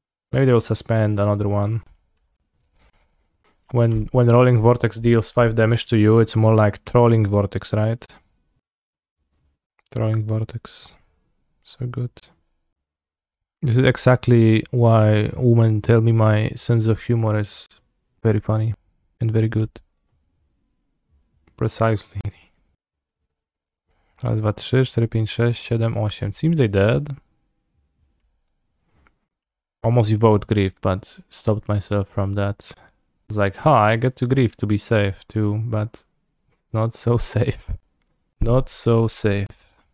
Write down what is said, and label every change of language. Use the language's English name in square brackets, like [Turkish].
[English] Maybe they will suspend another one. When Rolling Vortex deals 5 damage to you, it's more like Trolling Vortex, right? Trolling Vortex. So good. This is exactly why women tell me my sense of humor is very funny and very good. Precisely. [Polish] Raz, dwa, trzy, cztery, pięć, sześć, siedem, osiem. [English] Seems they dead. Almost evoked grief, but stopped myself from that. I was like, ha, I get to grief to be safe too, but not so safe. Not so safe.